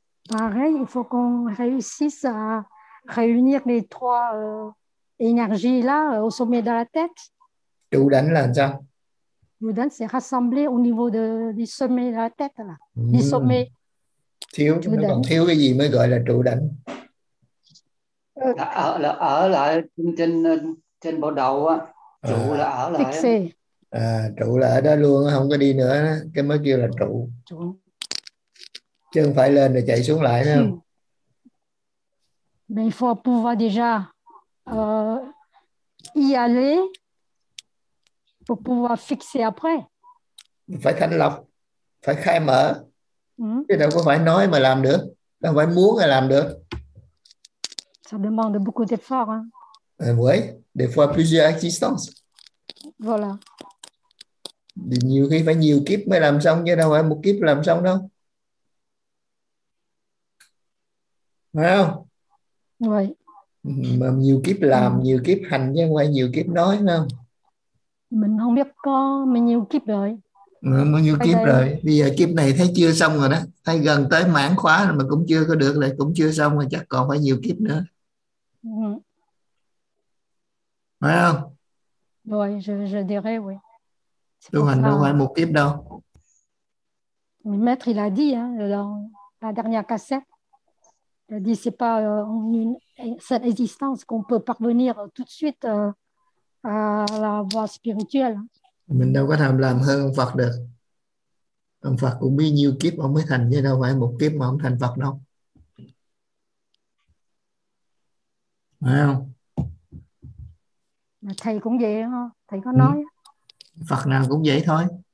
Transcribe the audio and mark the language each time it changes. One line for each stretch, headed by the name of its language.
French: Pareil, il faut qu'on réussisse à réunir les trois énergies là au sommet de la tête.
Vietnamese: Trụ đảnh là sao?
French: Boudin s'est rassemblé au niveau du sommet de la tête là, du sommet.
Vietnamese: Thiếu, nó còn thiếu cái gì mới gọi là trụ đảnh? Ở lại trên bộ đầu á, trụ là ở lại.
French: Fixé.
Vietnamese: Trụ là ở đó luôn, không có đi nữa, cái mới kêu là trụ. Chứ không phải lên rồi chạy xuống lại nữa.
French: Mais il faut pouvoir déjà y aller. Pour pouvoir fixer après.
Vietnamese: Phải thanh lọc, phải khai mở. Chứ đâu có phải nói mà làm được, đâu phải muốn mà làm được.
French: Ça demande beaucoup d'efforts. Oui, des fois plusieurs existences. Voilà.
Vietnamese: Nhiều khi phải nhiều kiếp mới làm xong, chứ đâu phải một kiếp làm xong đâu. Phải không?
French: Oui.
Vietnamese: Mà nhiều kiếp làm, nhiều kiếp hành, chứ không phải nhiều kiếp nói đâu. Mình không biết có mình nhiều kiếp rồi. Mình nhiều kiếp rồi. Bây giờ kiếp này thấy chưa xong rồi đó. Thấy gần tới mãn khóa rồi mà cũng chưa có được lại, cũng chưa xong rồi chắc còn phải nhiều kiếp nữa. Phải không?
French: Oui, je dirais oui.
Vietnamese: Tu hành đâu phải một kiếp đâu.
French: Le maître il a dit hein, dans la dernière cassette. Il dit c'est pas une cette existence qu'on peut parvenir tout de suite à la voie spirituelle.
Vietnamese: Mình đâu có làm hơn ông Phật được. Ông Phật cũng biết nhiều kiếp ông mới thành, chứ đâu phải một kiếp mà ông thành Phật đâu. Phải không? Mà thầy cũng vậy hả? Thầy có nói. Phật nào cũng vậy thôi.